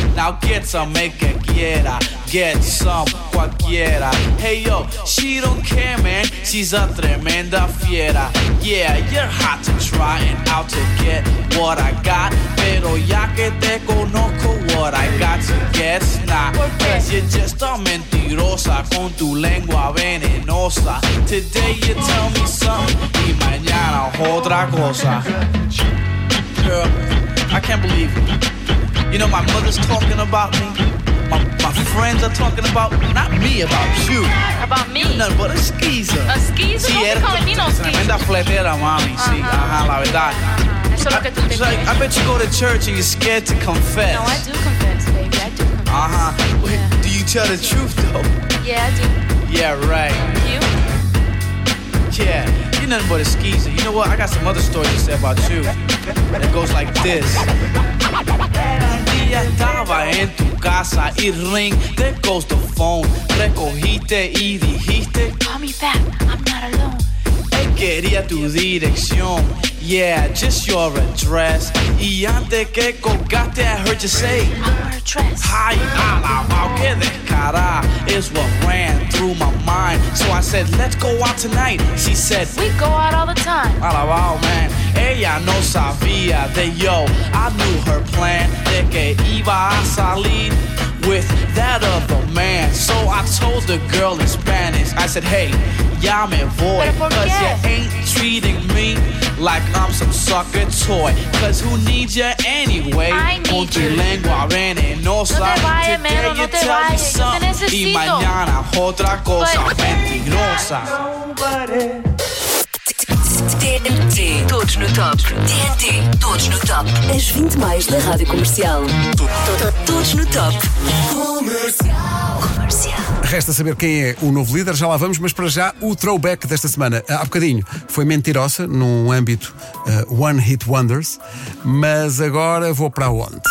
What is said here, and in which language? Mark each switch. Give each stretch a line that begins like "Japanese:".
English: Now get some
Spanish: el que quiera,
English: get some
Spanish: cualquiera.
English: Hey yo, she don't care man, she's a
Spanish: tremenda fiera.
English: Yeah, you're hot to try and out to get what I got,
Spanish: pero ya que te conozco,
English: what I got to guess not. Cause you're just a mentirosa con tu lengua venenosa. Today you tell me something
Spanish: y mañana otra cosa.
English: Girl, I can't believe it. You know my mother's talking about me. My friends are talking about me. Not me, about you. About me? You're nothing but a skeezer. A skeezer? Don't be calling me no skeezer.
Spanish: Tremenda fletera, mami. Si, ajá, la verdad. Eso lo que tú te
English: crees. I bet you go to church and you're scared to confess. No, I do confess, baby. I do confess. Uh-huh. Wait, yeah. Do you tell the truth, though? Yeah, I do. Yeah, right. You? Yeah. You're nothing but a skeezer. You know what? I got some other stories to say about you. And it goes like this.
Spanish: Un día estaba en tu casa y
English: ring, there goes the phone.
Spanish: Recogiste y dijiste,
English: call me back, I'm not alone.
Spanish: Él quería tu dirección,
English: yeah, just your address.
Spanish: Y antes que colgaste,
English: I heard you say, I'm her address.
Spanish: Ay, alabao, que descara,
English: is what ran through my mind. So I said, let's go out tonight. She said, we go out all the time. Alabao, man. Ella no sabía de yo, I knew her plan, de que iba a salir with that other man. So I told the girl in Spanish, I said, hey,
Spanish: ya me voy,
English: cause you ain't treating me like I'm some sucker toy. Cause who needs ya anyway? I need you.
Spanish: Con tu lengua venenosa. No te vaya,
English: today man, you
Spanish: no te
English: tell
Spanish: vaya.
English: Me something.
Spanish: Y mañana otra cosa mentirosa.
Portuguese: TNT, todos no top. TNT, todos no top. As 20 mais da Rádio Comercial. Todos no top. Comercial. Resta saber quem é o novo líder, já lá vamos, mas para já o throwback desta semana. Há bocadinho foi mentirosa num âmbito One Hit Wonders, mas agora vou para onde?